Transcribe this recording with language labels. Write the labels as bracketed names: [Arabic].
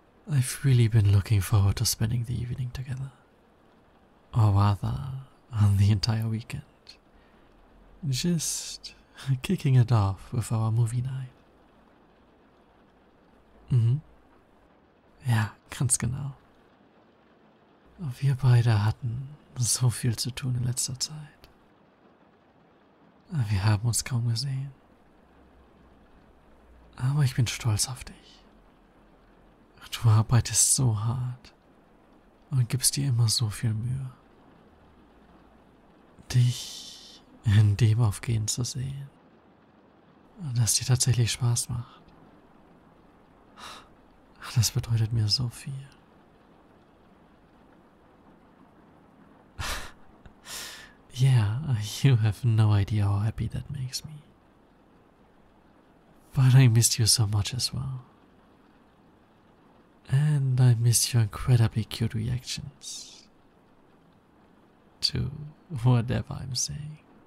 [English] I've really been looking forward to spending the evening together. Or rather, on the entire weekend. Just kicking it off with our movie night. [German] Ja, ganz genau. Wir beide hatten so viel zu tun in letzter Zeit. Wir haben uns kaum gesehen. Aber ich bin stolz auf dich. Du arbeitest so hart und gibst dir immer so viel Mühe. Dich in dem Aufgehen zu sehen, das dir tatsächlich Spaß macht, das bedeutet mir so viel. [English] Yeah, you have no idea how happy that makes me. But I missed you so much as well. And I miss your incredibly cute reactions to whatever I'm saying.